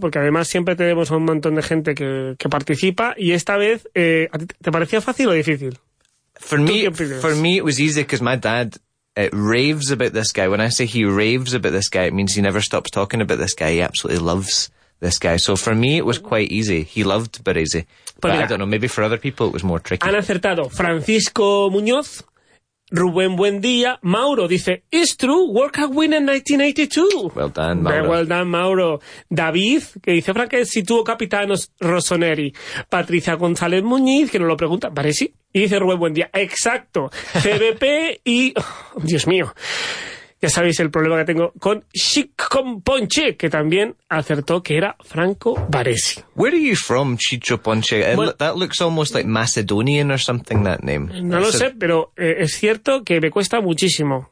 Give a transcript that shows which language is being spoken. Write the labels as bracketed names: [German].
[Spanish] porque además siempre tenemos un montón de gente que participa, y esta vez, ¿te parecía fácil o difícil? [English] For me, it was easy, because my dad... It raves about this guy. When I say he raves about this guy, it means he never stops talking about this guy. He absolutely loves this guy. So for me, it was quite easy. He loved Baresi. But I don't know, maybe for other people it was more tricky. [Spanish] Han acertado Francisco Muñoz, Rubén Buendía, Mauro dice, [English] it's true, World Cup win in 1982. Well done, Mauro. Very well done, Mauro. [Spanish] David, que dice, Franca, si tuvo capitanos Rossoneri. Patricia González Muñiz, que nos lo pregunta, Baresi. Y dice Rubén Buendía, exacto, CBP y... Oh, Dios mío. Ya sabéis el problema que tengo con Chic Componché, que también acertó que era Franco Baresi. [English] Where are you from, Chic Componché? Well, that looks almost like Macedonian or something, that name. [Spanish] No lo sé, pero es cierto que me cuesta muchísimo.